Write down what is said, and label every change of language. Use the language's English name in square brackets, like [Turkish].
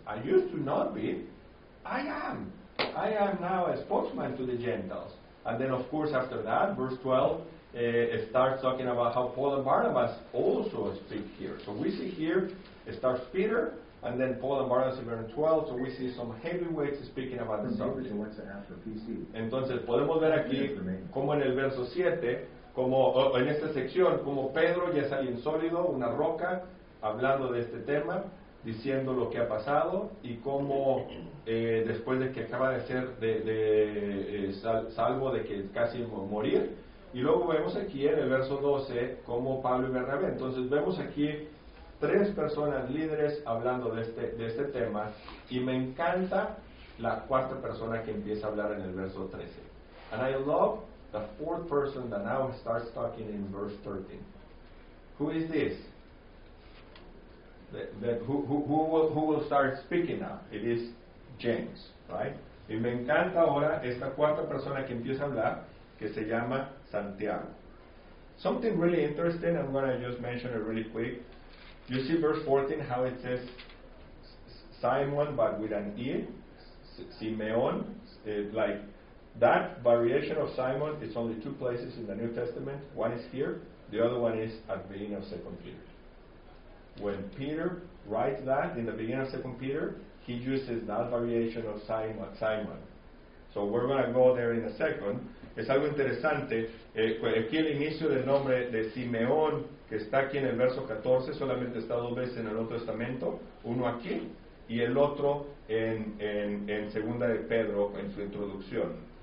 [English] I used to not be. I am. I am now a spokesman to the Gentiles. And then, of course, after that, verse 12, it starts talking about how Paul and Barnabas also speak here. So we see here, it starts Peter, and then Paul and Barnabas in verse 12. So we see some heavyweights speaking about the subject. And what's after PC? [Spanish] Entonces, podemos ver aquí, como en el verso 7, como en esta sección, como Pedro ya es alguien sólido, una roca, hablando de este tema, diciendo lo que ha pasado y cómo después de que acaba de ser salvo de que casi morir. Y luego vemos aquí en el verso 12 cómo Pablo y Bernabé. Entonces vemos aquí tres personas líderes hablando de este tema, y me encanta la cuarta persona que empieza a hablar en el verso 13. [English] And I love the fourth person that now starts talking in verse 13. Who is this? Who will start speaking now? It is James, right? [Spanish] Y me encanta ahora esta cuarta persona que empieza a hablar, que se llama Santiago. [English] Something really interesting, I'm going to just mention it really quick. You see verse 14, how it says Simon, but with an E, Simeon, like that variation of Simon, it's only two places in the New Testament. One is here, the other one is at the beginning of 2 Peter. When Peter writes that in the beginning of 2 Peter, he uses that variation of Simon. So we're going to go there in a second. [Spanish] Es algo interesante, aquí el inicio del nombre de Simeón, que está aquí en el verso 14, solamente está dos veces en el Nuevo Testamento, uno aquí y el otro en segunda de Pedro, en su introducción.